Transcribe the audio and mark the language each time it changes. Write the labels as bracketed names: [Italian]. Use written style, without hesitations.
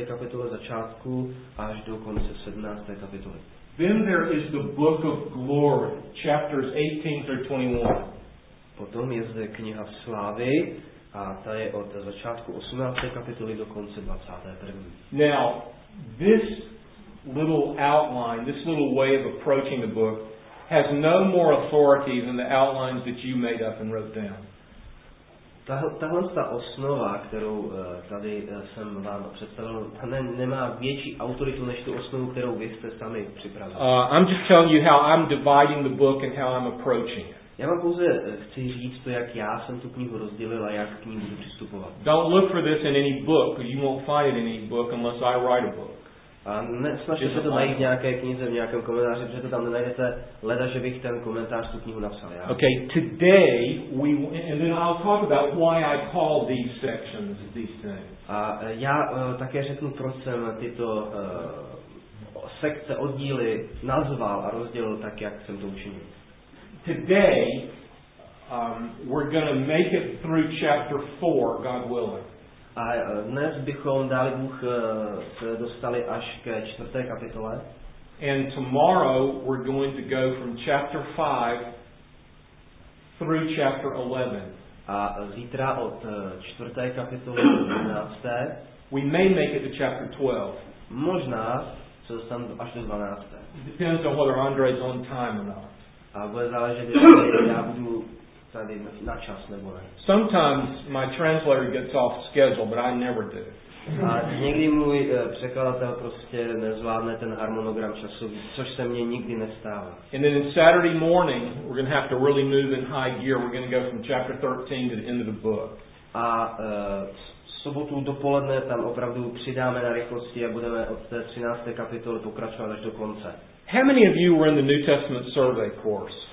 [Czech] kapitoly začátku až do konce 17. kapitoly. [English] Then there is the book of glory, chapters 18 through 21. [Czech] Potom je zde kniha v slávy a ta je od začátku 18. kapitoly do konce 21. [English] Now, this little outline, this little way of approaching the book has no more authority than the outlines that you made up and wrote down. [Czech] Ta osnova, kterou tady jsem vám představil, ta nemá větší autoritu než tu osnovu, kterou vy jste sami připravili. [English] I'm just telling you how I'm dividing the book and how I'm approaching it. [Czech] Já vám pouze chci říct to, jak já jsem tu knihu rozdělil a jak k ní budu přistupovat. [English] Don't look for this in any book, you won't find it in any book unless I write a book. [Czech] A nesnažte se to najít v nějaké knize, v nějakém komentáři, protože to tam nenajdete, leda, že bych ten komentář tu knihu napsal já. [English] Okay, today we and then I'll talk about why I call these sections these things. [Czech] A já také řeknu, proč jsem tyto sekce, oddíly nazval a rozdělil tak, jak jsem to učinil. [English] Today we're going to make it through chapter 4, God willing. [Czech] A dnes bychom, dali Bůh, se dostali až ke čtvrté kapitole. [English] And tomorrow we're going to go from chapter 5 through chapter 11. [Czech] A zítra od čtvrté kapitoly do 12. [English] We may make it to chapter 12. [Czech] Možná se dostaneme až do 12. [English] Depends on whether Andre's on time or not. [Czech] A bude záležet, jestli já budu tady na čas nebo ne. [English] Sometimes my translator gets off schedule, but I never do. [Czech] A někdy můj překladatel prostě nezvládne ten harmonogram časový, což se mně nikdy nestává. [English] And then Saturday morning we're going to have to really move in high gear. We're going to go from chapter 13 to the end of the book. [Czech] A sobotu dopoledne tam opravdu přidáme na rychlosti a budeme od té 13. kapitoly pokračovat až do konce. [English] How many of you were in the New Testament survey course?